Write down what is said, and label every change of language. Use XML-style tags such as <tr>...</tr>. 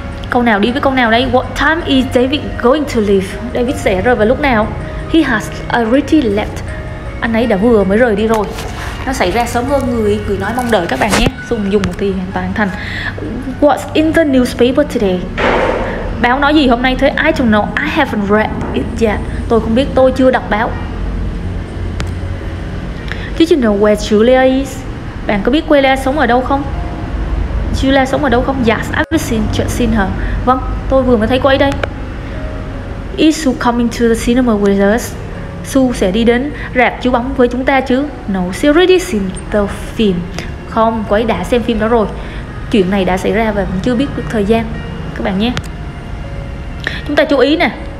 <vi>Câu nào đi với câu nào đây?</vi> <en>What time is David going to leave?</en> <vi>David sẽ rời vào lúc nào?</vi> <en>He has already left.</en> <vi>Anh ấy đã vừa mới rời đi rồi. Nó xảy ra sớm hơn người nói mong đợi các bạn nhé. Dùng dùng một tí hoàn toàn thành.</vi> <en>What's in the newspaper today?</en> <vi>Báo nói gì hôm nay thế?</vi> <en>I don't know, I haven't read it yet.</en> <vi>Tôi không biết, tôi chưa đọc báo.</vi> <en>Did you know where Julia is?</en> <vi>Bạn có biết Julia sống ở đâu không? Julia sống ở đâu không?</vi> <en>Yes, I've seen her.</en> <vi>Vâng, tôi vừa mới thấy cô ấy đây.</vi> <en>Is Sue coming to the cinema with us?</en> <vi>Sue sẽ đi đến rạp chiếu bóng với chúng ta chứ?</vi> <en>No, she already seen the film.</en> <vi>Không, cô ấy đã xem phim đó rồi. Chuyện này đã xảy ra và vẫn chưa biết được thời gian. Các bạn nhé. Chúng ta chú ý nè.</vi>